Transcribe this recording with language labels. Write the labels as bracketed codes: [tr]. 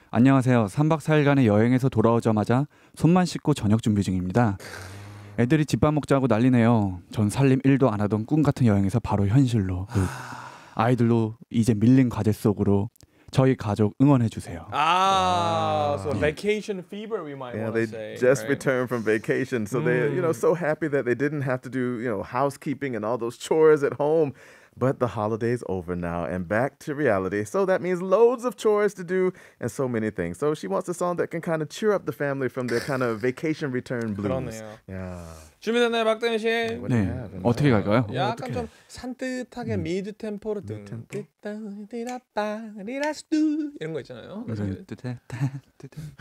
[ko] 안녕하세요. 3박 4일간의 여행에서 돌아오자마자 손만 씻고 저녁 준비 중입니다. 애들이 집밥 먹자고 난리네요. 전 살림 1도 안 하던 꿈 같은 여행에서 바로 현실로. 아이들로 이제 밀린 과제 속으로 저희 가족 응원해 주세요. [en] So vacation fever we might want to say. Just returned from vacation. So they, you know, so happy that they didn't have to do, you know, housekeeping and all those chores at home. But the holiday's over now and back to reality. So that means loads of chores to do and so many things. So she wants a song that can kind of cheer up the family from their kind of vacation return blues. [ko] 그러네요. Yeah. 준비됐나요, 박대현 씨? 네. 네. 어떻게 갈까요? 약간 어떻게. 좀 산뜻하게 미드 템포로 뜨뜨따리라빠 리라스두 이런 거 있잖아요. 뜨뜨따뜨뜨.